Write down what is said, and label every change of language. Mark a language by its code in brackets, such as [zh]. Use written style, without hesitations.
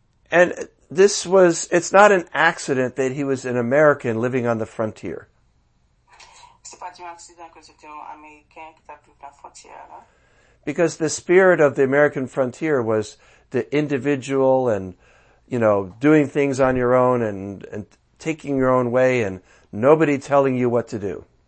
[en] And this was, it's not an accident that he was an American living on the frontier. [fr] C'est pas du accident que c'était un Américain qui a vécu la frontière, là. [en] Because the spirit of the American frontier was the individual and, you know, doing things on your own and taking your own way and nobody telling you what to do.